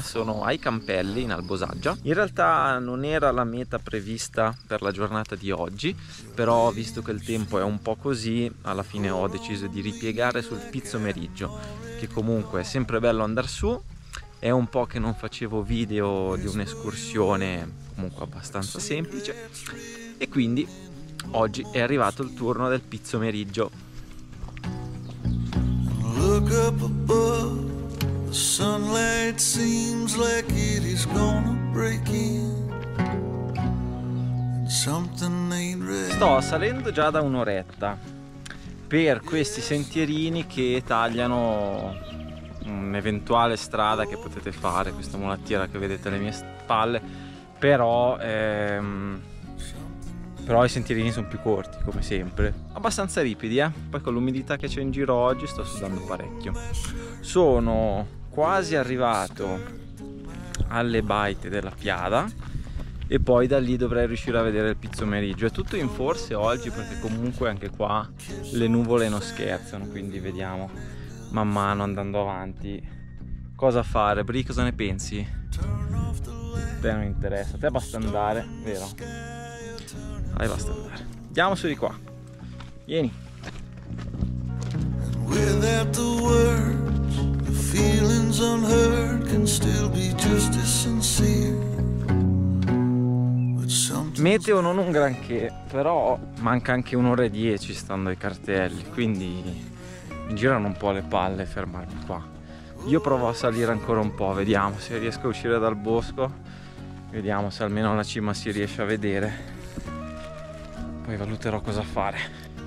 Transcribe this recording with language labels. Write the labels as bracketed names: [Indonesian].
[Italian] Sono ai Campelli, in Albosaggia. In realtà non era la meta prevista per la giornata di oggi, però visto che il tempo è un po' così, alla fine ho deciso di ripiegare sul pizzomeriggio, che comunque è sempre bello andare su. È un po' che non facevo video di un'escursione comunque abbastanza semplice, e quindi oggi è arrivato il turno del pizzomeriggio. [English] Look up above, the sunlight seems like it is gonna break in. Something ain't right. [Italian] Sto salendo già da un'oretta per questi sentierini che tagliano un'eventuale strada che potete fare, questa mulattiera che vedete alle mie spalle, però i sentierini sono più corti, come sempre. Abbastanza ripidi, eh? Poi con l'umidità che c'è in giro oggi sto sudando parecchio. Sono quasi arrivato alle baite della Piada e poi da lì dovrei riuscire a vedere il pizzomeriggio. È tutto in forse oggi perché comunque anche qua le nuvole non scherzano, quindi vediamo man mano andando avanti cosa fare. Bri, cosa ne pensi? A te non interessa, a te basta andare, vero? Dai, basta andare. Andiamo su di qua. Vieni. [English] Without the words, the feelings unheard can still be just as sincere. [Italian] Meteo non un granché, però manca anche un'ora e dieci stando ai cartelli, quindi mi girano un po' le palle fermarmi qua. Io provo a salire ancora un po', vediamo se riesco a uscire dal bosco. Vediamo se almeno la cima si riesce a vedere. Poi valuterò cosa fare.